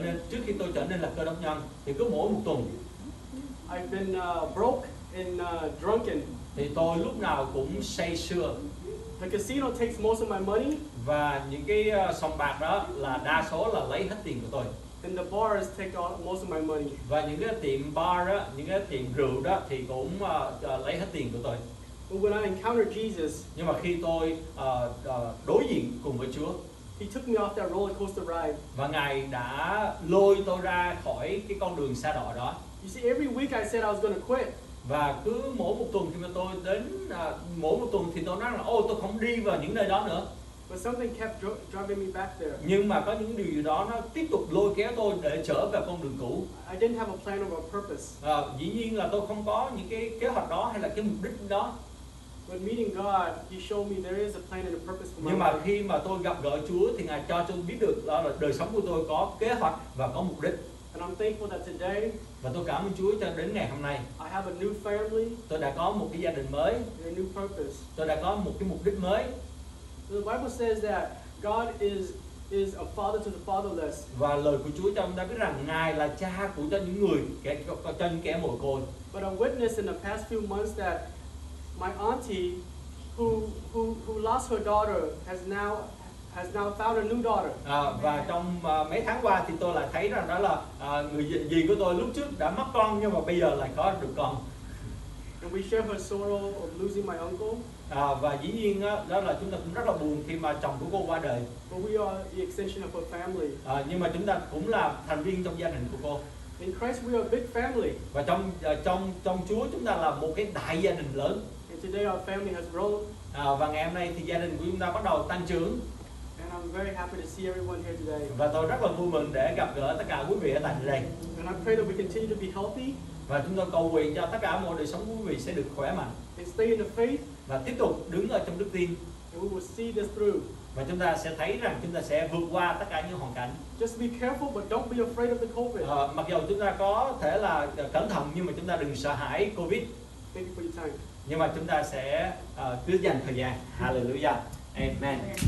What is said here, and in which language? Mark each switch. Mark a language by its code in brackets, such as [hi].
[vi] Trước khi tôi trở nên là Cơ Đốc nhân thì cứ mỗi một tuần. [en] I've been broke and drunken. [vi] Thì tôi lúc nào cũng say sưa. [en] The casino takes most of my money. [vi] Và những cái sòng bạc đó là đa số là lấy hết tiền của tôi. [en] And the bars take all most of my money. [vi] Và những cái tiệm bar đó, những cái tiệm rượu đó thì cũng lấy hết tiền của tôi. [en] But when I encountered Jesus, [vi] nhưng mà khi tôi đối diện cùng với Chúa, [en] He took me off that roller coaster ride. [vi] Và ngài đã lôi tôi ra khỏi cái con đường sa đọa đó. [en] You see, every week I said I was going to quit. [vi] Và cứ mỗi một tuần khi mà tôi đến mỗi một tuần thì tôi nói là tôi không đi vào những nơi đó nữa. [en] But something kept driving me back there. [vi] Nhưng mà có những điều gì đó nó tiếp tục lôi kéo tôi để trở về con đường cũ. [en] I didn't have a plan or a purpose. [vi] Dĩ nhiên là tôi không có những cái kế hoạch đó hay là cái mục đích đó. [en] When meeting God, He showed me there is a plan and a purpose for my [vi] Nhưng mà [en] life. [vi] Khi mà tôi gặp gỡ Chúa thì ngài cho tôi biết được đó là đời sống của tôi có kế hoạch và có mục đích. [en] And I'm thankful that today. [vi] Và tôi cảm ơn Chúa cho đến ngày hôm nay. [en] I have a new family. [vi] Tôi đã có một cái gia đình mới. [en] A new purpose. [vi] Tôi đã có một cái mục đích mới. [en] The Bible says that God is a father to the fatherless. [vi] Và lời của Chúa cho chúng ta biết rằng Ngài là cha của cho những người kẻ cho những kẻ mồ côi. [en] But I witnessed in the past few months that my auntie who lost her daughter has now found a new daughter. [vi] Và trong mấy tháng qua thì tôi lại thấy rằng đó là người dì của tôi lúc trước đã mất con nhưng mà bây giờ lại có được con. [en] And we share her sorrow of losing my uncle. [vi] Và dĩ nhiên đó là chúng ta cũng rất là buồn khi mà chồng của cô qua đời. [en] But we are the extension of her family. [vi] Nhưng mà chúng ta cũng là thành viên trong gia đình của cô. [en] In Christ we are a big family. [vi] Và trong Chúa chúng ta là một cái đại gia đình lớn. [en] And today our family has grown. [vi] Và ngày hôm nay thì gia đình của chúng ta bắt đầu tăng trưởng. [en] And I'm very happy to see everyone here today. [vi] Và tôi rất là vui mừng để gặp gỡ tất cả quý vị ở tại đây. [en] And I pray that we continue to be healthy. [vi] Và chúng tôi cầu nguyện cho tất cả mọi đời sống quý vị sẽ được khỏe mạnh. [en] And stay in the faith. [vi] Và tiếp tục đứng ở trong đức tin. [en] And we will see this through. [vi] Và chúng ta sẽ thấy rằng chúng ta sẽ vượt qua tất cả những hoàn cảnh. [en] Just be careful but don't be afraid of the COVID. [vi] Mặc dù chúng ta có thể là cẩn thận nhưng mà chúng ta đừng sợ hãi COVID. [en] Thank you for your time. [vi] Nhưng mà chúng ta sẽ cứ dành thời gian. Hallelujah. Amen. Amen.